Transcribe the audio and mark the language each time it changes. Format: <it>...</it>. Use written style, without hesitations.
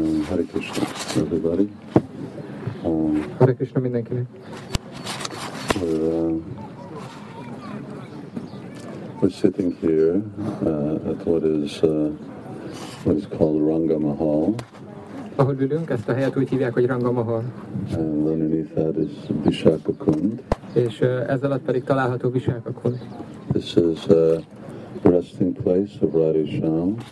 <en>Hare Krishna, everybody. Hare Krishna, me thank you. We're sitting here at what is called Ranga Mahal.</en> <hu>Ahol ülünk, ezt a helyet úgy hívják, hogy Ranga Mahal.</hu> <en>And underneath that is Vishakakund.</en> <hu>És ez alatt pedig található Vishakakund.</hu> <en>This is a resting place of Radhe Shyam.</en>